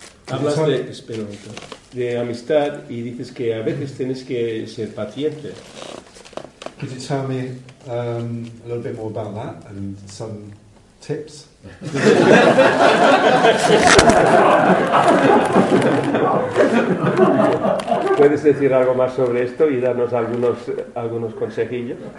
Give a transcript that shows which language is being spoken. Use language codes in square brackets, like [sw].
[es] Hablas de amistad y dices que a veces tienes que ser paciente. [en] Could you tell me a little bit more about that and some tips? [es] ¿Puedes decir algo más sobre esto y darnos algunos consejillos?